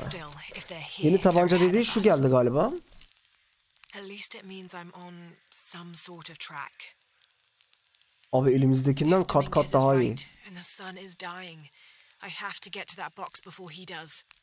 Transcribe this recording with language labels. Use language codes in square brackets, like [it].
[en] Still, if they're here, [tr] yeni tabanca dediği şu geldi galiba. [en] At least it means I'm on some sort of track. [tr] Abi elimizdekinden kat kat daha iyi. [en] And the sun is dying. I have to get to that box before he does.